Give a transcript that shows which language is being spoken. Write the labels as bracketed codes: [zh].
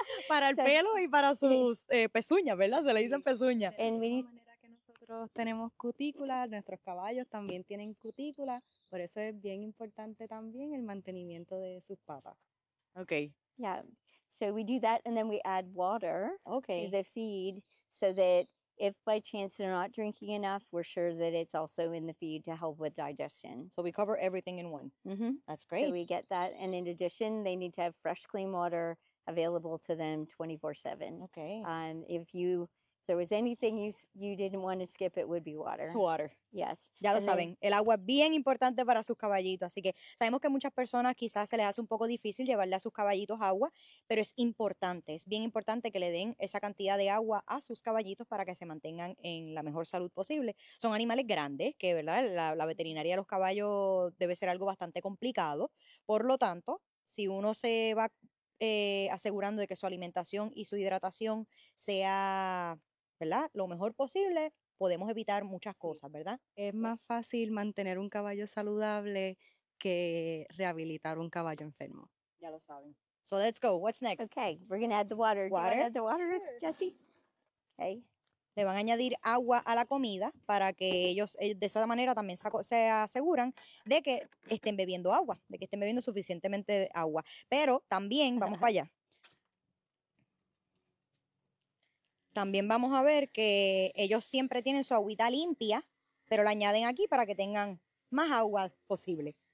[es] Para el pelo y para sus pezuñas, ¿verdad? Se le dicen pezuñas. De la misma manera que nosotros tenemos cutículas, nuestros caballos también tienen cutículas. Por eso es bien importante también el mantenimiento de sus patas. [en] Okay. Yeah. So we do that and then we add water okay. to the feed so that if by chance they're not drinking enough, we're sure that it's also in the feed to help with digestion. So we cover everything in one. Mm-hmm. That's great. So we get that. And in addition, they need to have fresh, clean water available to them 24/7. Okay. If there was anything you didn't want to skip, it would be water. Water. Yes. [es] Ya lo saben. El agua es bien importante para sus caballitos. Así que sabemos que muchas personas quizás se les hace un poco difícil llevarle a sus caballitos agua, pero es importante. Es bien importante que le den esa cantidad de agua a sus caballitos para que se mantengan en la mejor salud posible. Son animales grandes que, ¿verdad? La veterinaria de los caballos debe ser algo bastante complicado. Por lo tanto, si uno se va asegurando de que su alimentación y su hidratación sea, ¿verdad?, lo mejor posible, podemos evitar muchas cosas, ¿verdad? Es más fácil mantener un caballo saludable que rehabilitar un caballo enfermo. Ya lo saben. [en] So let's go. What's next? Okay, we're going to add the water. Water? Do you want to add the water, Jesse? Okay. [es] le van a añadir agua a la comida para que ellos de esa manera también se aseguran de que estén bebiendo agua, de que estén bebiendo suficientemente agua. Pero también, vamos para allá, también vamos a ver que ellos siempre tienen su agüita limpia, pero la añaden aquí para que tengan más agua posible.